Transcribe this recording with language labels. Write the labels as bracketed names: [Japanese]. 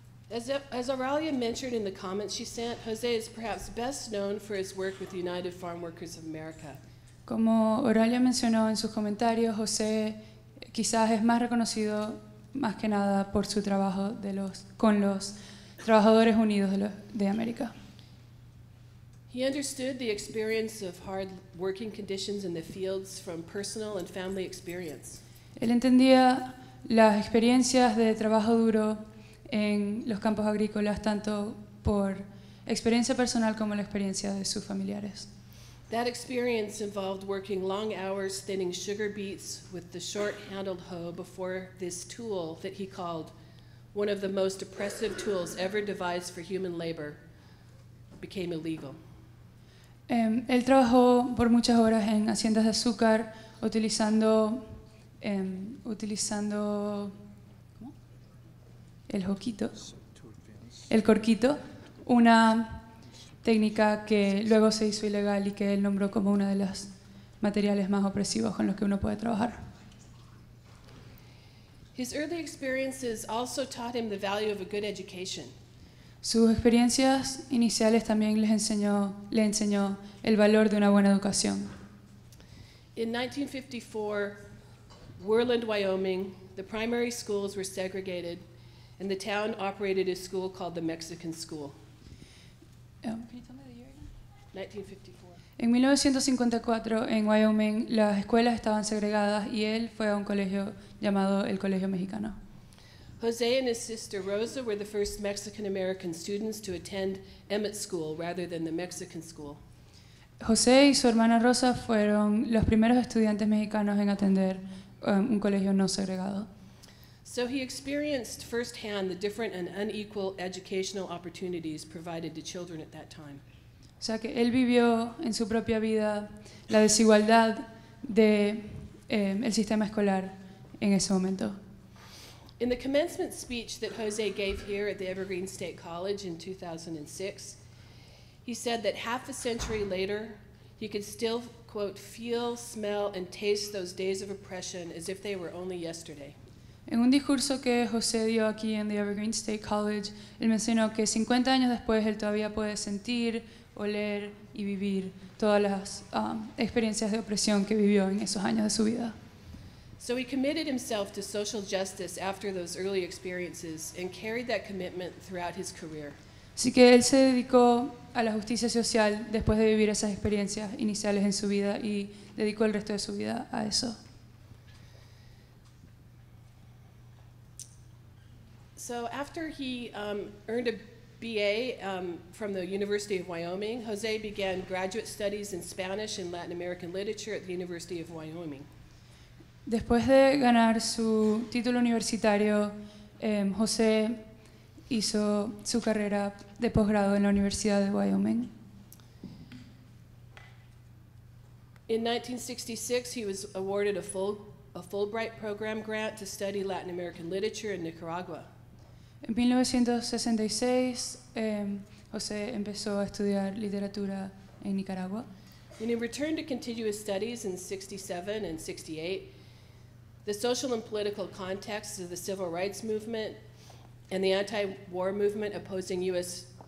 [English] As Aurelia mentioned in the comments she sent, José is perhaps best known for his work with the United Farm Workers of America. [Spanish] Como Aurelia mencionó en sus comentarios, José quizás es más reconocido más que nada por su trabajo con los Trabajadores Unidos de América. [English] He understood the experience of hard working conditions in the fields from personal and family experience. [Spanish] Él entendía las experiencias de trabajo duro en los campos agrícolas tanto por experiencia personal como la experiencia de sus familiares. [English] That experience involved working long hours thinning sugar beets with the short-handled hoe before this tool that he called one of the most oppressive tools ever devised for human labor became illegal. [Spanish] Él trabajó por muchas horas en haciendas de azúcar utilizando el hoquito, el corquito, una técnica que luego se hizo ilegal y que él nombró como uno de los materiales más opresivos con los que uno puede trabajar. [English] His early experiences also taught him the value of a good education. [Spanish] Sus experiencias iniciales también le enseñó el valor de una buena educación. [English] In 1954, Worland, Wyoming, the primary schools were segregated and the town operated a school called the Mexican School. [Spanish] En 1954, en Wyoming, las escuelas estaban segregadas y él fue a un colegio llamado el Colegio Mexicano. [English] José and his sister Rosa were the first Mexican-American students to attend Emmett School rather than the Mexican School. [Spanish] José y su hermana Rosa fueron los primeros estudiantes mexicanos en atender un colegio no segregado. [English] So he experienced firsthand the different and unequal educational opportunities provided to children at that time. [Spanish] O sea que él vivió en su propia vida la desigualdad de el sistema escolar en ese momento. [English] In the commencement speech that José gave here at the Evergreen State College in 2006, he said that half a century later, he could still, quote, feel, smell, and taste those days of oppression as if they were only yesterday. [Spanish] En un discurso que José dio aquí en the Evergreen State College, él mencionó que 50 años después él todavía puede sentir, oler y vivir todas las experiencias de opresión que vivió en esos años de su vida. [English] So he committed himself to social justice after those early experiences and carried that commitment throughout his career. [Spanish] Así que él se dedicó a la justicia social después de vivir esas experiencias iniciales en su vida y dedicó el resto de su vida a eso. [English] So after he earned a BA from the University of Wyoming, José began graduate studies in Spanish and Latin American literature at the University of Wyoming. [Spanish] Después de ganar su título universitario, José hizo su carrera de posgrado en la Universidad de Wyoming. [English] In 1966, he was awarded a Fulbright program grant to study Latin American literature in Nicaragua. [Spanish] En 1966, José empezó a estudiar literatura en Nicaragua. [English] And he returned to continue his studies in 67 and 68. The social and political context of the civil rights movement and the anti-war movement opposing U.S.